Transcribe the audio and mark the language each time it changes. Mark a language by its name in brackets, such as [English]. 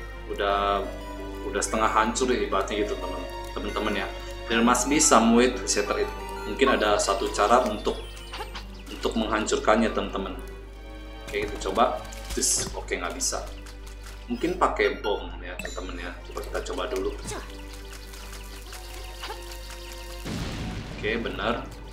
[Indonesian] udah setengah hancur ibaratnya gitu teman-teman ya. [English] There must be some way to shatter it. [Indonesian] Mungkin ada satu cara untuk menghancurkannya teman-teman. Oke, kita coba. Terus oke, nggak bisa. Mungkin pakai bom ya teman-teman ya. Coba kita coba dulu. Oke, benar.